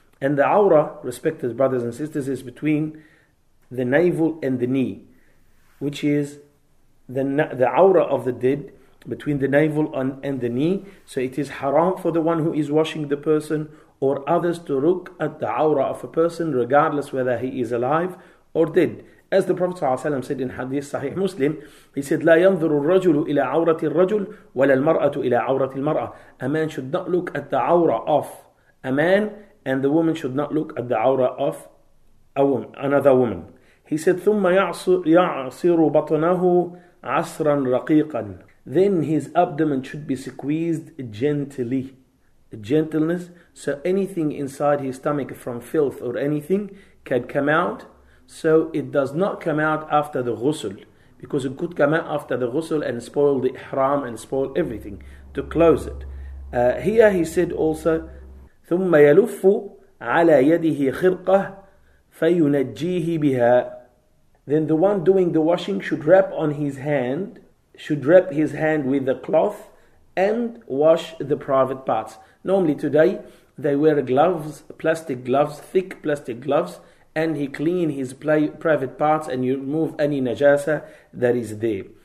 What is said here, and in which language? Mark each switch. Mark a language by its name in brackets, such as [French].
[English] And the awra, respected brothers and sisters, is between the navel and the knee, which is the awra of the dead, between the navel and the knee. So it is haram for the one who is washing the person or others to look at the awra of a person, regardless whether he is alive or dead. As the Prophet ﷺ said in Hadith Sahih Muslim, he said, [Arabic] لا ينظر الرجل إلى عورة الرجل ولا المرأة إلى عورة المرأة. [English] A man should not look at the awra of a man, and the woman should not look at the awra of a woman, another woman. He said, [Arabic] ثم يعصر بطنه عصرا رقيقا. [English] Then his abdomen should be squeezed gently. Gentleness. So anything inside his stomach from filth or anything can come out. So it does not come out after the ghusl, because it could come out after the ghusl and spoil the ihram and spoil everything to close it. Here he said also, [Arabic] ثم يلف على يده خرقة فينجيه بها. [English] Then the one doing the washing should wrap on his hand, should wrap his hand with the cloth and wash the private parts. Normally today they wear gloves, plastic gloves, thick plastic gloves, and he clean his private parts and you remove any najasa that is there.